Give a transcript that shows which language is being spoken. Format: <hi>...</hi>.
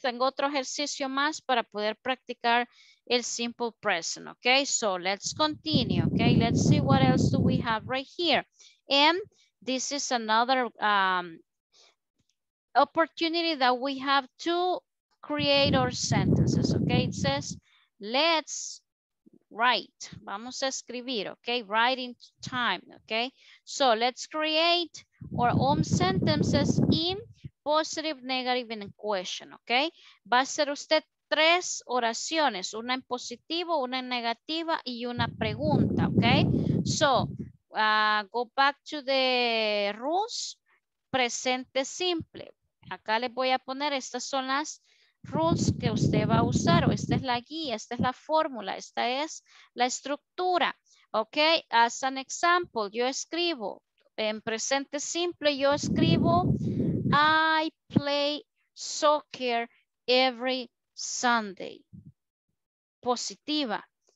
<es>Tengo otro ejercicio más para poder practicar el simple present.</es> <en>Okay. So let's continue. Okay. Let's see what else do we have right here. And this is another opportunity that we have to create our sentences, okay? It says, let's write.</en> <es>Vamos a escribir, okay?</es> <en>Writing time,</en> <es>okay?</es> <en>So let's create our own sentences in positive, negative, and question, okay?</en> <es>Va a ser usted tres oraciones, una en positivo, una en negativa, y una pregunta, okay?</es> <en>So, go back to the rules, presente simple.</en> <es>Acá les voy a poner, estas son las rules que usted va a usar, o esta es la guía, esta es la fórmula, esta es la estructura.</es> <en>Ok, as an example,</en> <es>yo escribo, en presente simple, yo escribo,</es> <en>I play soccer every Sunday. Positiva.</en>